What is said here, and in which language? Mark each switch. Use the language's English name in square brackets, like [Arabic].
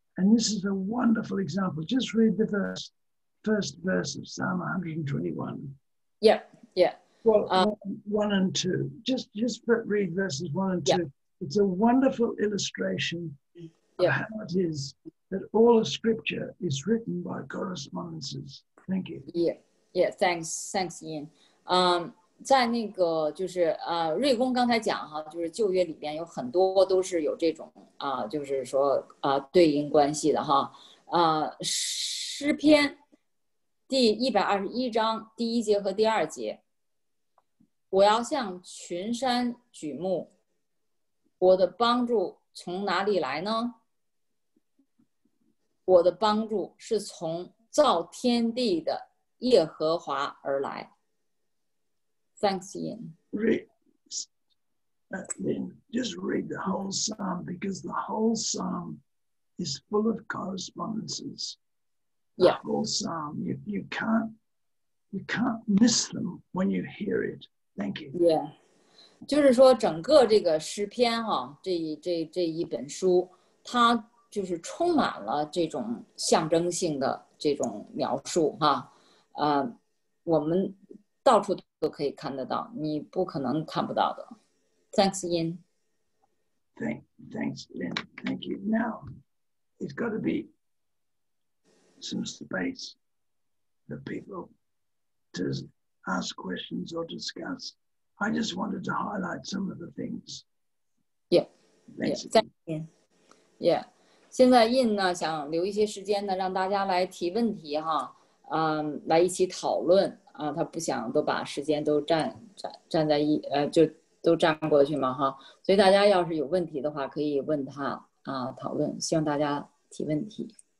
[English] And this is a wonderful example. Just read the first verse of Psalm 121. One and two. Just read verses one and two. Yeah. It's a wonderful illustration of how it is that all of scripture is written by correspondences. Thank you. Thanks, Ian. [Chinese] 在那个就是瑞公刚才讲哈，就是旧约里边有很多都是有这种就是说对应关系的哈。诗篇第121章第一节和第二节，我要向群山举目，我的帮助从哪里来呢？我的帮助是从造天地的耶和华而来。 [English] Thanks, Ian. Lynn, just read the whole psalm, because the whole psalm is full of correspondences. Yeah. The whole psalm, you can't miss them when you hear it. Thank you. Yeah. 就是说整个这个诗篇啊，这一本书，它就是充满了这种象征性的这种描述啊，我们到处都可以看得到，你不可能看不到的。 Thanks, Ian. Thanks, Lynn. Thank you. Now, it's got to be some space for people to ask questions or discuss. I just wanted to highlight some of the things. Thanks, Ian. Yeah. [Chinese] 现在 Ian 呢，想留一些时间呢，让大家来提问题哈，来一起讨论。他不想都把时间都占在就都占过去嘛哈，所以大家要是有问题的话，可以问他讨论，希望大家提问题。